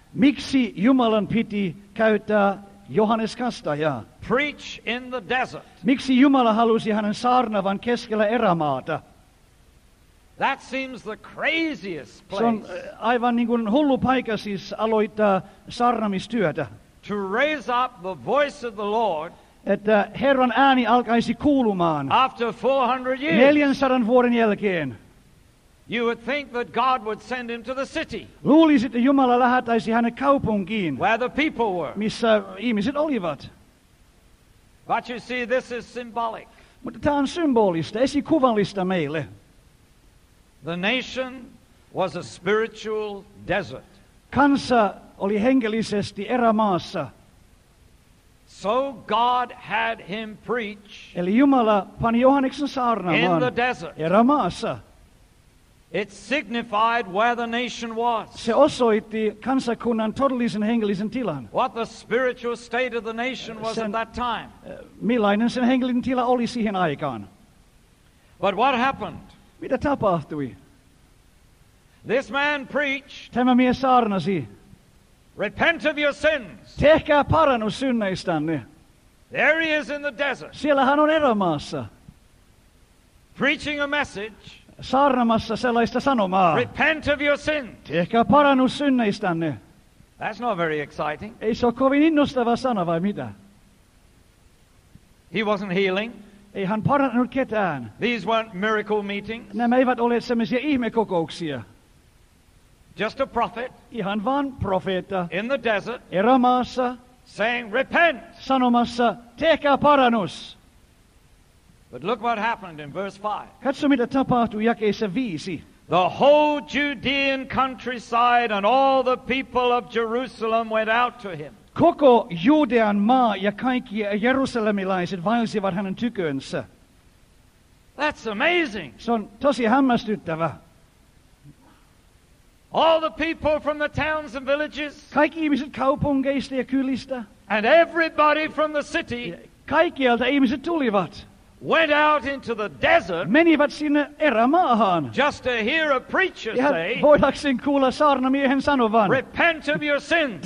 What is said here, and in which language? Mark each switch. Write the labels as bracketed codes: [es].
[fi] Miksi Jumalan piti käyttää Johannes Kastajaa? [en] Preach in the desert. [fi] Miksi Jumala halusi hänen saarnavan keskellä erämaata? [en] That seems the craziest place. [fi] Se on aivan niin kuin hullu paikka siis aloittaa saarnamistyötä. [en] To raise up the voice of the Lord. [fi] Että Herran ääni alkaisi kuulumaan. [en] After 400 years. [fi] 400 vuoden jälkeen. [en] You would think that God would send him to the city. [fi] Luulisi, että Jumala lähettäisi hänen kaupunkiin. [en] Where the people were. [fi] Missä ihmiset olivat. [en] But you see, this is symbolic. [fi] Mutta tämä on symbolista, esikuvallista meille. [en] The nation was a spiritual desert. [fi] Kansa oli hengellisesti erämaassa. [en] So God had him preach. [fi] Eli Jumala pani Johanneksen saarnaamaan. [en] In the desert. [fi] Erämaassa. [en] It signified where the nation was. [fi] Se osoitti kansakunnan todellisen hengellisen tilan. [en] What the spiritual state of the nation was at that time. [fi] Millainen sen hengellinen tila oli siihen aikaan. [en] But what happened? [fi] Mitä tapahtui? [en] This man preached. [fi] Tämä mies saarnasi. [en] Repent of your sins. [fi] Tehkää parannus synneistänne. [en] There he is in the desert. [fi] Siellä hän on erämaassa. [en] Preaching a message. [fi] Saarnamassa sellaista sanomaa. [en] Repent of your sins. [fi] Tehkää parannus synneistänne. [en] That's not very exciting. [fi] Ei se ole kovin innostava sana vai mitä? [en] He wasn't healing. [fi] Ei hän parantanut ketään. [en] These weren't miracle meetings. [fi] Nämä eivät olleet semmoisia ihmekokouksia. [en] Just a prophet. [fi] Ihan vaan profeetta. [en] In the desert. [fi] Erämaassa. [en] Saying, repent. [fi] Sanomassa, tehkää parannus. [en] But look what happened in verse 5. [fi] Katso mitä tapahtui jakeessa 5. [en] The whole Judean countryside and all the people of Jerusalem went out to him. [fi] Koko Judean maa ja kaikki jerusalemilaiset vaelsivat hänen tykönsä. [en] That's amazing. [fi] Se on tosi hämmästyttävä. [en] All the people from the towns and villages. [fi] Kaikki ihmiset kaupungeista ja kylistä. [en] And everybody from the city. [fi] Kaikkialta ihmiset tulivat. [en] Went out into the desert. [fi] Menivät sinne erämaahan. [en] Just to hear a preacher say. [fi] Voidakseen kuulla saarnamiehen sanovan. [en] Repent of your sins.